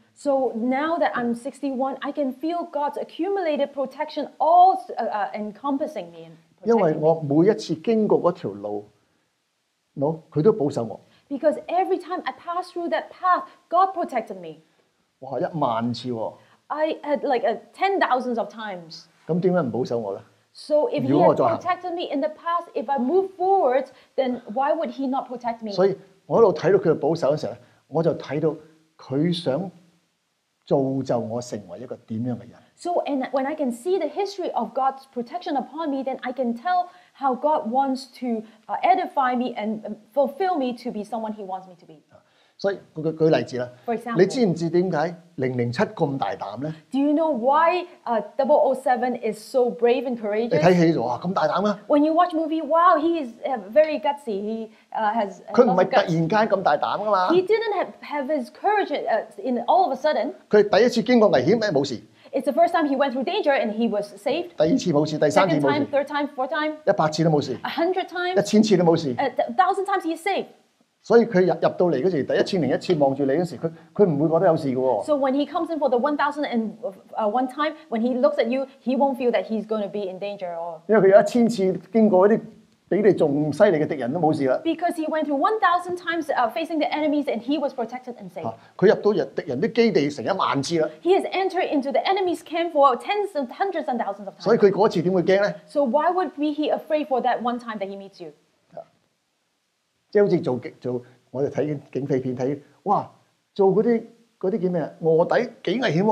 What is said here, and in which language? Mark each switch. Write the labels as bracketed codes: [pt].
[en] So now that I'm 61, I can feel God's accumulated protection all encompassing me. [yue] 因為我每一次經過嗰條路，我，佢都保守我。 [en] Because every time I pass through that path, God protected me. [yue] 哇，一萬次喎。 [en] I had like a 10,000 of times. [yue] 咁點解唔保守我咧？ [en] So if he had protected me in the past, if I move forward, then why would he not protect me? [yue] 所以我一路睇到佢嘅保守嘅時候，我就睇到佢想造就我成為一個點樣嘅人。 [en] So and when I can see the history of God's protection upon me, then I can tell how God wants to edify me and fulfill me to be someone He wants me to be. [yue] 所以舉例子啦。 [en] For example, [yue] 你知唔知點解007咁大膽咧 [en] ？Do you know why 007 is so brave and courageous？ [yue] 你睇戲哇，咁大膽啊 [en] ！When you watch movie, wow, he is very gutsy. He has [yue] 佢唔係突然間咁大膽噶嘛 [en] ？He didn't have his courage in all of a sudden. [yue] 佢第一次經過危險咩？冇事。 [en] It's the first time he went through danger and he was saved. [yue] 第二次冇事，第三次冇事。 [en] Second time, third time, fourth time. [yue] 一百次都冇事。 [en] A hundred times. [yue] 一千次都冇事。 [en] 1,000 times he's saved. [yue] 所以佢入到嚟嗰時，第一千零一次望住你嗰時，佢唔會覺得有事嘅喎。 [en] So when he comes in for the 1,001 time, when he looks at you, he won't feel that he's going to be in danger or. [yue] 因為佢有一千次經過一啲比你仲犀利嘅敵人都冇事啦。 [en] Because he went through 1,000 times facing the enemies and he was protected and safe. [yue] 佢入到敵人啲基地成一萬次啦。 [en] He has entered into the enemy's camp for tens and hundreds and thousands of times. [yue] 所以佢嗰次點會驚咧 [en] ？So why would be he afraid for that one time that he meets you？ [yue] 即係好似做我哋睇警匪片睇，哇！做嗰啲叫咩啊？卧底幾危險喎、